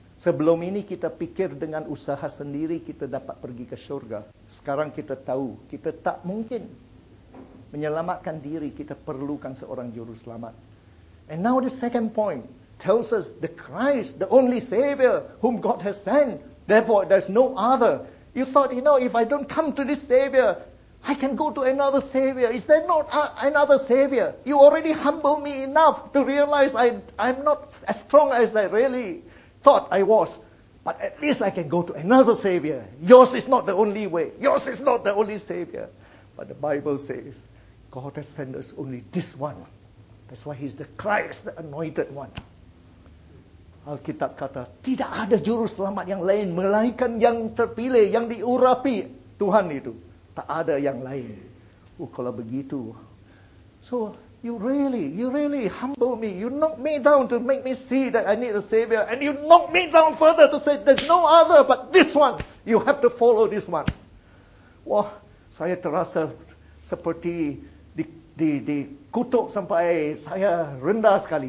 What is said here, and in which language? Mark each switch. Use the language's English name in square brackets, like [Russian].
[Malay] Sebelum ini kita pikir dengan usaha sendiri kita dapat pergi ke syurga. Sekarang kita tahu kita tak mungkin menyelamatkan diri. Kita perlukan seorang juru selamat. [English] And now the second point tells us the Christ, the only Savior whom God has sent. Therefore, there's no other. You thought, you know, if I don't come to this Savior, I can go to another Savior. Is there not another Savior? You already humbled me enough to realize I'm not as strong as I really thought I was. But at least I can go to another Savior. Yours is not the only way. Yours is not the only Savior. But the Bible says, God has sent us only this one. That's why He's the Christ, the anointed one. [Malay] Alkitab kata, tidak ada juru selamat yang lain, melainkan yang terpilih, yang diurapi Tuhan itu. Tak ada yang lain. Oh, kalau begitu. [English] So, you really humble me. You knock me down to make me see that I need a Savior. And you knock me down further to say, there's no other but this one. You have to follow this one. [Malay] Wah, saya terasa seperti dikutuk sampai saya rendah sekali.